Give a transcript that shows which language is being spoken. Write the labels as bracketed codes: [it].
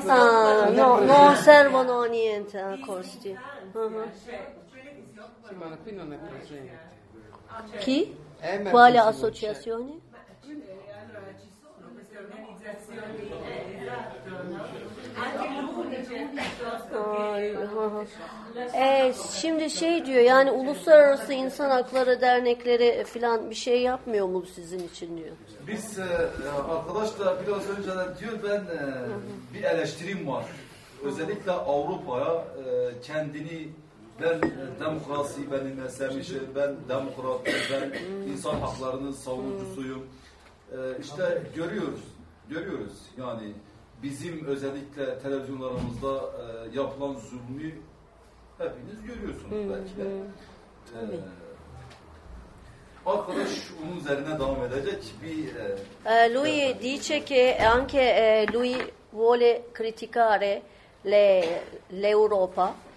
[it] sono non servono a niente a costi. Sì, ma qui non è presente. Chi? Quale associazione? Allora ci sono queste organizzazioni, esatto, no? Anche l'UNICEF piuttosto [tr] che şimdi şey diyor, yani uluslararası insan hakları dernekleri falan bir şey yapmıyor mu sizin için diyor. Biz arkadaşlar biraz önce de diyor ben bir eleştirim var. Özellikle Avrupa'ya kendini ben demokrasi benimsemişim, ben demokratım, ben insan haklarının savunucusuyum. İşte görüyoruz yani bizim özellikle televizyonlarımızda yapılan zulmü hepiniz görüyorsunuz belki de. Arkadaş onun üzerine devam edecek bir... [it] Lui dice che anche lui vuole criticare l'Europa.